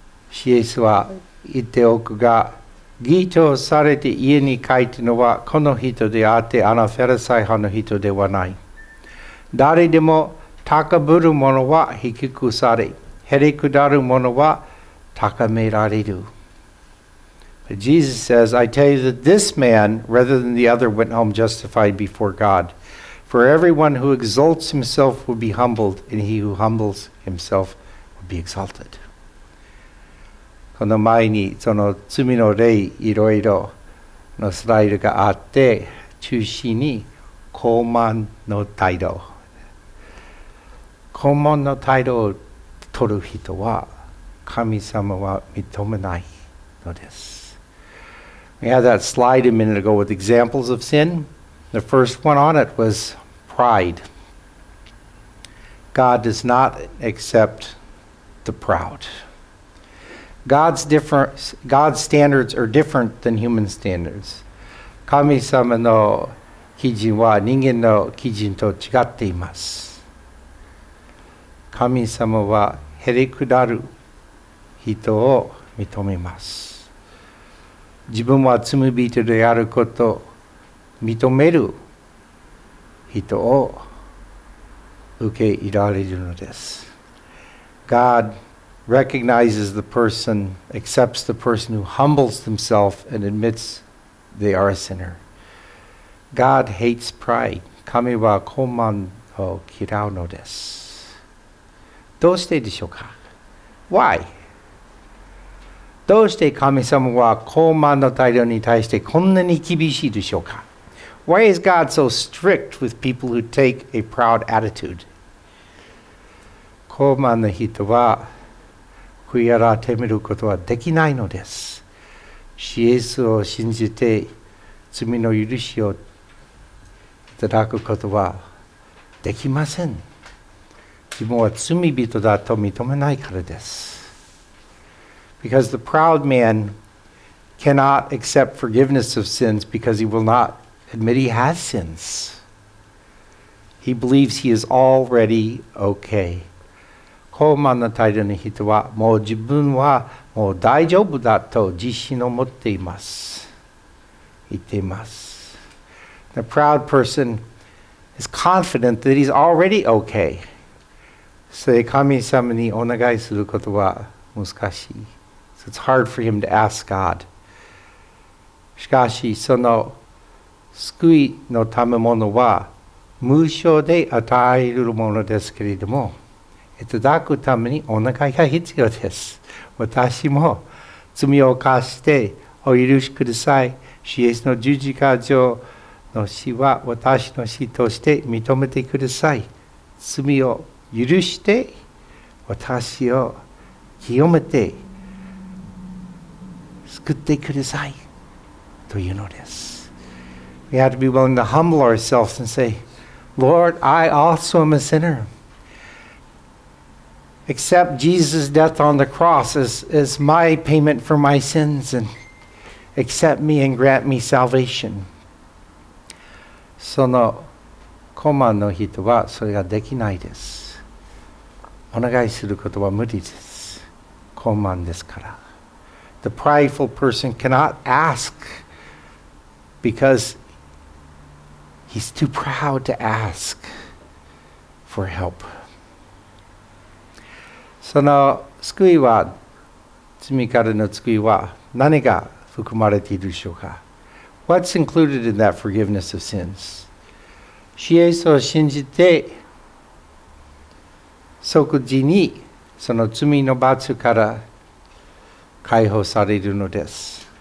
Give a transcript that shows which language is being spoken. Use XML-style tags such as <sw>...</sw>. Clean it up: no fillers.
<ja>シエスは言っておくが、義とされて家に帰ったのはこの人であって、あのフェルサイ派の人ではない。誰でも高ぶる者は低くされ、へりくだる者は高められる。</ja> <en>But Jesus says, I tell you that this man, rather than the other, went home justified before God. For everyone who exalts himself will be humbled, and he who humbles himself will be exalted.</en> <ja>この前にその罪の例いろいろのスライドがあって、中心に傲慢の態度。傲慢の態度を取る人は神様は認めないのです。</ja> <en>We had that slide a minute ago with examples of sin. The first one on it was pride. God does not accept the proud. God's standards are different than human standards.</en> <ja>神様の基準は人間の基準と違っています。神様はへりくだる人を認めます。自分は罪人であることを認める人を受け入れられるのです。</ja> <en>God recognizes the person, accepts the person who humbles themselves and admits they are a sinner. God hates pride.</en> <ja>神は傲慢を嫌うのです。どうしてでしょうか?</ja> <en>Why?</en> <ja>どうして神様は傲慢の態度に対してこんなに厳しいでしょうか?</ja> <en>Why is God so strict with people who take a proud attitude?</en> <ja>傲慢の人は悔い改めることはできないのです。主イエスを信じて罪の許しをいただくことはできません。自分は罪人だと認めないからです。</ja> <en>Because the proud man cannot accept forgiveness of sins because he will not admit he has sins. He believes he is already okay.</en> <ja>傲慢な態度の人はもう自分はもう大丈夫だと自信を持っています。言っています。</ja> <en>The proud person is confident that he's already okay.</en> <ja>それ神様にお願いすることは難しい。</ja> <en>So、it's hard for him to ask God.</en> <ja>しかし、その救いの賜物は無償で与えるものですけれども、いただくためにお願いが必要です。私も罪を犯してお許しください。主イエスの十字架上の死は私の死として認めてください。罪を許して私を清めて救ってくださいというのです。</ja> <en>We have to be willing to humble ourselves and say, Lord, I also am a sinner. Accept Jesus' death on the cross as my payment for my sins and accept me and grant me salvation.</en> <ja>その傲慢の人はそれができないです。お願いすることは無理です。傲慢ですから。</ja> <en>The prideful person cannot ask because he's too proud to ask for help.</en> <ja>その救いは、罪からの救いは何が含まれているでしょうか?</ja> <en>What's included in that forgiveness of sins?</en> <ja>主イエスを信じて、即時にその罪の罰から解放されるのです。</ja>